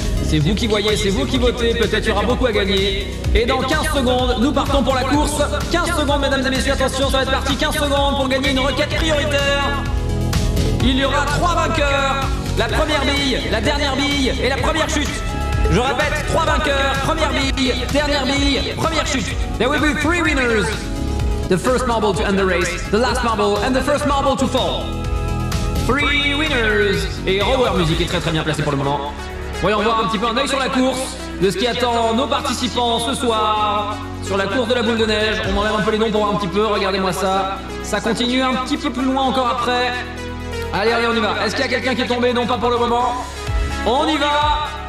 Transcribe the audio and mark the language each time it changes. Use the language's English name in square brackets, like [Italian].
[French] c'est vous qui voyez, c'est vous qui votez, peut-être il y aura beaucoup à gagner. Et dans 15 secondes, nous partons pour la course. 15 secondes, mesdames et messieurs, attention, ça va être parti. 15 secondes pour gagner une requête prioritaire. Il y aura 3 vainqueurs. La première bille, la dernière bille et la première chute. Je répète, 3 vainqueurs, première bille, dernière bille, première chute. [English] There will be 3 winners. The first marble to end the race, the last marble and the first marble to fall. Three winners. [French] Et Rower Music est très très bien placé pour le moment. Voyons voir un petit peu un œil sur la course, de ce qui attend nos participants ce soir, sur la course de la boule de neige. On enlève un peu les noms pour voir un petit peu, regardez-moi ça. Ça continue un petit peu plus loin encore après. Allez, allez, on y va. Est-ce qu'il y a quelqu'un qui est tombé? Non, pas pour le moment. On y va.